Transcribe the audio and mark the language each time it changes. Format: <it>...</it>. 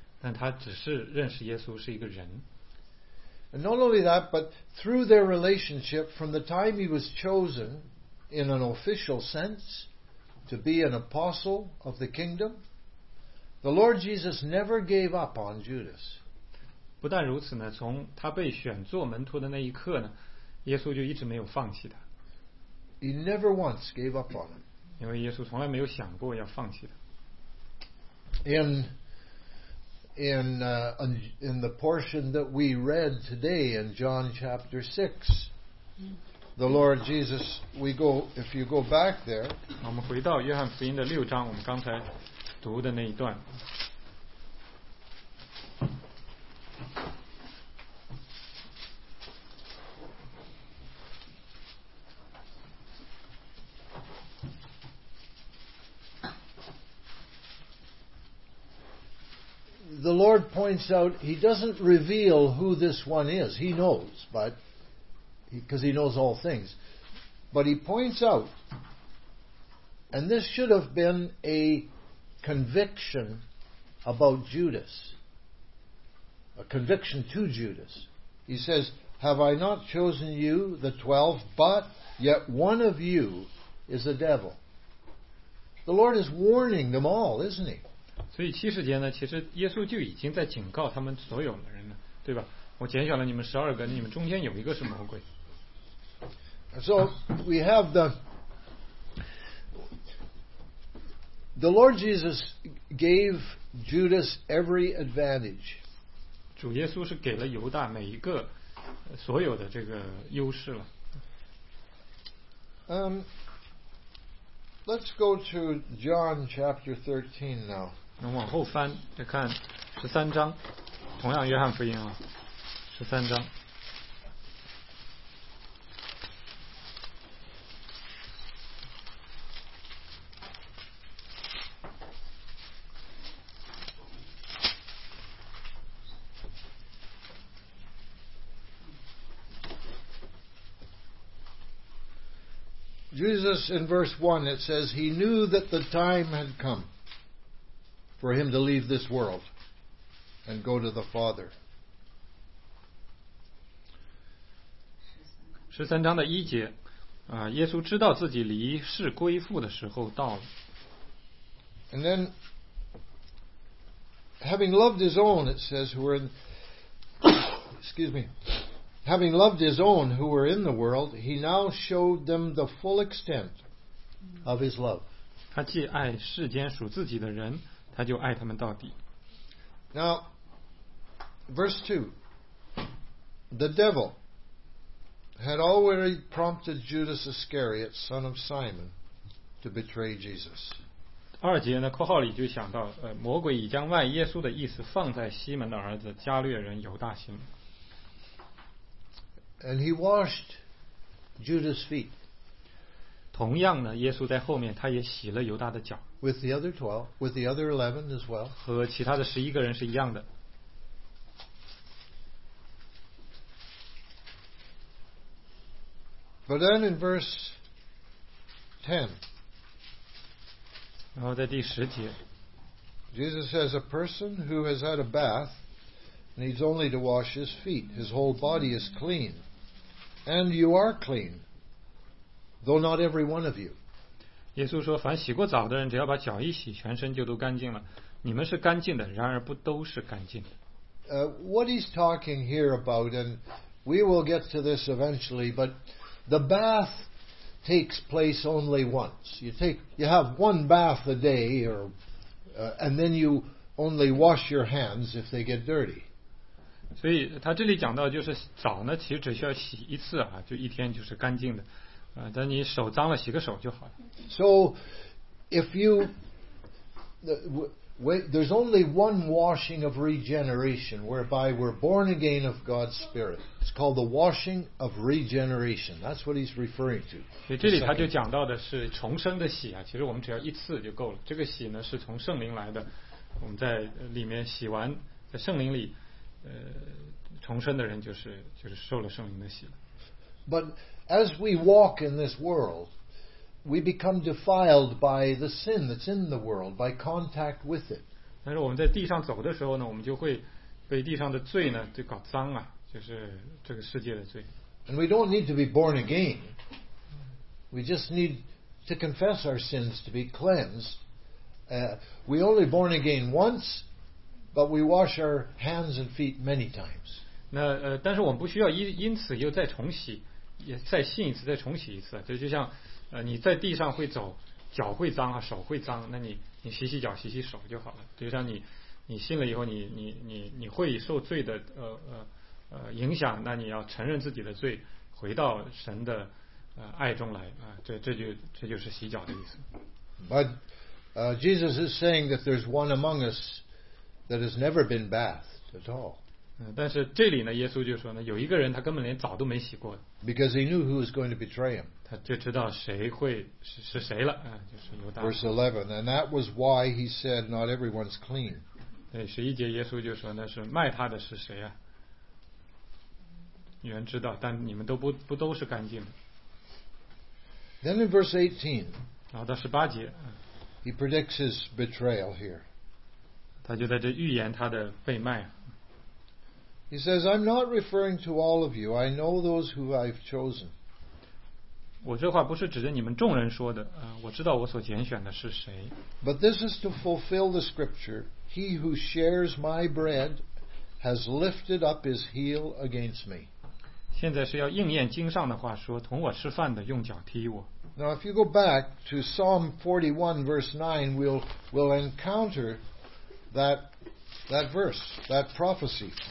<zh>但他只是认识耶稣是一个人。</zh> <en>And not only that, but through their relationship, from the time he was chosen in an official sense to be an apostle of the kingdom, the Lord Jesus never gave up on Judas.</en> <zh>不但如此呢，从他被选做门徒的那一刻呢，耶稣就一直没有放弃他。</zh> <en>He never once gave up on him.</en> <zh>因为耶稣从来没有想过要放弃他。</zh> <en>In the portion that we read today in John chapter 6, the Lord Jesus, if you go back there,</en> <zh>我们回到约翰福音的六章，我们刚才读的那一段。</zh> <en>The Lord points out he doesn't reveal who this one is. He knows, but because he knows all things. But he points out, and this should have been a conviction about Judas, a conviction to Judas. He says, Have I not chosen you, the 12, but yet one of you is a devil? The Lord is warning them all, isn't he?</en> <zh>所以七十节呢，其实耶稣就已经在警告他们所有的人了，对吧？我拣选了你们十二个，你们中间有一个是魔鬼。</zh> <en>So we have the Lord Jesus gave Judas every advantage.</en> <zh>主耶稣是给了犹大每一个所有的这个优势了。</zh> <en>Let's go to John chapter 13 now.</en> <zh>能往后翻再看十三章，同样约翰福音啊，十三章。</zh> <en>Jesus in verse 1 it says he knew that the time had come. for him to leave this world and go to the Father.</en> <zh>十三章的一节，耶稣知道自己离世归父的时候到了。</zh> <en>And then, having loved his own, it says, who were in, excuse me, having loved his own who were in the world, he now showed them the full extent of his love.</en> <zh>他既爱世间属自己的人，他就爱他们到底。</zh> <en>Now, verse 2, the devil had already prompted Judas Iscariot, son of Simon, to betray Jesus.</en> <zh>二节呢，括号里就想到，魔鬼已将卖耶稣的意思放在西门的儿子加略人犹大心。</zh> <en>And he washed Judas' feet.</en> <zh>同样呢，耶稣在后面他也洗了犹大的脚。</zh> <en>With the other 12, with the other 11 as well.</en> <zh>和其他的十一个人是一样的。</zh> <en>But then in verse 10,</en> <zh>然后在第十节,</zh> <en>Jesus says, a person who has had a bath needs only to wash his feet. His whole body is clean. And you are clean, though not every one of you.</en> <zh>耶稣说, 凡洗过澡的人只要把脚一洗, 全身就都干净了。你们是干净的, 然而不都是干净的。</zh> <en>What he's talking here about, and we will get to this eventually, but the bath takes place only once. You have one bath a day, and then you only wash your hands if they get dirty.</en> <zh>所以他这里讲到就是澡呢，其实只需要洗一次啊，就一天就是干净的，等你手脏了洗个手就好了。</zh> <en>So if you, there's only one washing of regeneration whereby we're born again of God's Spirit. It's called the washing of regeneration. That's what he's referring to.</en> <zh>所以这里他就讲到的是重生的洗啊，其实我们只要一次就够了。这个洗呢是从圣灵来的，我们在里面洗完，在圣灵里，重生的人就是受了圣灵的洗了。</zh> <en>But as we walk in this world,we become defiled by the sin that's in the world, by contact with it.</en> <zh>但是我们在地上走的时候呢，我们就会被地上的罪呢就搞脏啊，就是这个世界的罪。</zh> <en>And we don't need to be born again. We just need to confess our sins to be cleansed. We only born again once, but we wash our hands and feet many times.</en> <zh>那但是我们不需要因此又再重洗，也再信一次，再重洗一次，就像。你在地上会走，脚会脏啊，手会脏，那你洗洗脚，洗洗手就好了。就像你信了以后，你会受罪的影响，那你要承认自己的罪，回到神的爱中来啊。这就是洗脚的意思。</zh> <en>But Jesus is saying that there's one among us that has never been bathed at all.</en> <zh>但是这里呢，耶稣就说呢，有一个人他根本连澡都没洗过。</zh> <en>Because he knew who was going to betray him.</en> <zh>他就知道谁会 是谁了、就是、犹大。</zh> <en>Verse 11, and that was why he said, "Not everyone's clean."</en> <zh>对，十一节耶稣就说那是卖他的是谁啊？原知道，但你们都不都是干净的。</zh> <en>Then in verse 18,</en> <zh>然后到十八节、</zh> <en>he predicts his betrayal here.</en> <zh>他就在这预言他的被卖。</zh> <en>He says, "I'm not referring to all of you. I know those who I've chosen."</en> <zh>我这话不是指着你们众人说的、我知道我所拣选的是谁。</zh> <en>But this is to fulfill the scripture, he who shares my bread has lifted up his heel against me.</en> <zh>现在是要应验经上的话说，同我吃饭的用脚踢我。</zh> <en>Now if you go back to Psalm 41 verse 9, we'll encounter that verse, that prophecy.</en>